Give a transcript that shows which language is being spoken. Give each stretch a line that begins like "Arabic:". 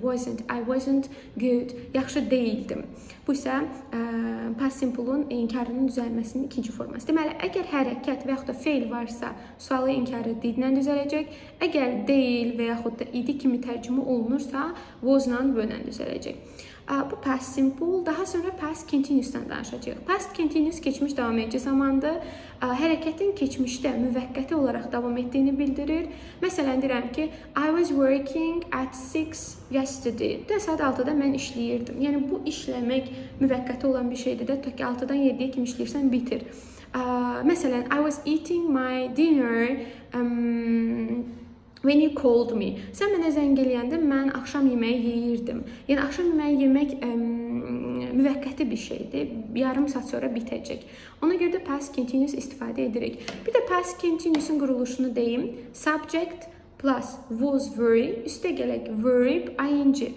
English: Wasn't, I wasn't good,
Azerbaijani: yaxşı deyildim. Bu isə past simple-un inkarının düzəlməsinin ikinci forması. Deməli, əgər hərəkət və yaxud da fail varsa, sualı inkarı did-lə düzələcək. Əgər deyil və yaxud da idi kimi tərcümə olunursa, was-lə, were-lə düzələcək. Bu past simple, daha sonra past continuous-dan danışacaq. Past continuous keçmiş davam edici zamandır. Hərəkətin keçmişdə müvəqqəti olaraq davam etdiyini bildirir. Məsələn, deyirəm ki,
English: I was working at 6 yesterday.
Azerbaijani: Də saat 6-da mən işləyirdim. Yəni, bu işləmək müvəqqəti olan bir şeydir də, tə ki, 6-dan 7-yə kimi işləyirsən, bitir.
English: Məsələn, I was eating my dinner when you called me.
Azerbaijani: Sən mənə zəng eləyəndə mən axşam yeməyi yeyirdim. Yəni, axşam yeməyi yemək müvəqqəti bir şeydir. Yarım saat sonra bitəcək. Ona görə də past continuous istifadə edirik. Bir də past continuous-un quruluşunu deyim. Subject,
English: plus was very,
Azerbaijani: üstə gələk
English: verb, ing.